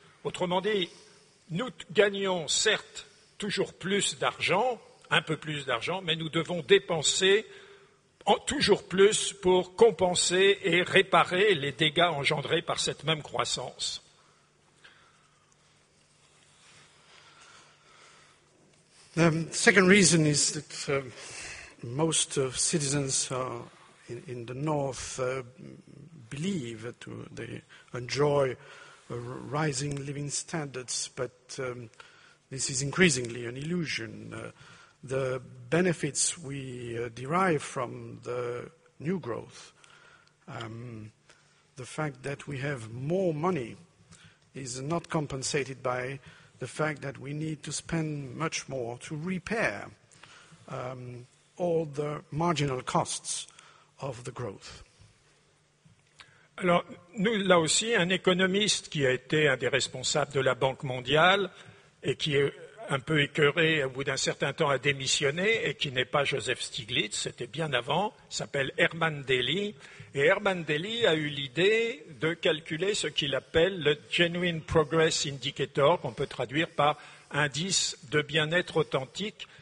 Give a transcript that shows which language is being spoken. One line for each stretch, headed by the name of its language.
French: Autrement dit, nous gagnons certes toujours plus d'argent, un peu plus d'argent, mais nous devons dépenser toujours plus pour compenser et réparer les dégâts engendrés par cette même croissance.
English: The second reason is that most of citizens in the North believe that they enjoy rising living standards, but this is increasingly an illusion. the benefits we derive from the new growth. The fact that we have more money is not compensated by the fact that we need to spend much more to repair all the marginal costs of the growth.
French: Alors, nous, là aussi, un économiste qui a été un des responsables de la Banque mondiale et qui est un peu écœuré, au bout d'un certain temps, a démissionné et qui n'est pas Joseph Stiglitz, c'était bien avant, s'appelle Herman Daly. Et Herman Daly a eu l'idée de calculer ce qu'il appelle le Genuine Progress Indicator, qu'on peut traduire par indice de bien-être authentique.